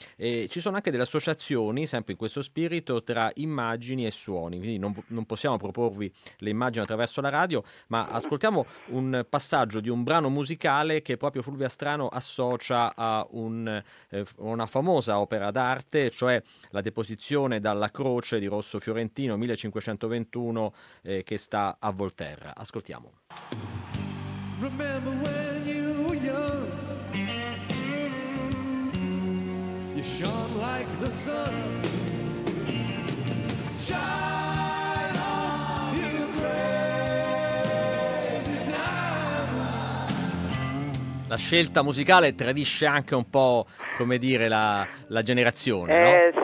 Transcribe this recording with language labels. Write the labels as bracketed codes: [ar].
[it] e ci sono anche delle associazioni, sempre in questo spirito, tra immagini e suoni, quindi non possiamo proporvi le immagini attraverso la radio, ma ascoltiamo un passaggio di un brano musicale che proprio Fulvia Strano associa a una famosa opera d'arte, cioè la Deposizione dalla Croce di Rosso Fiorentino 1521, che sta a Volterra. Ascoltiamo. [en] Remember when you were young, you shone like the sun. Shine on, you crazy diamond. [it] La scelta musicale tradisce anche un po', come dire, la generazione, no?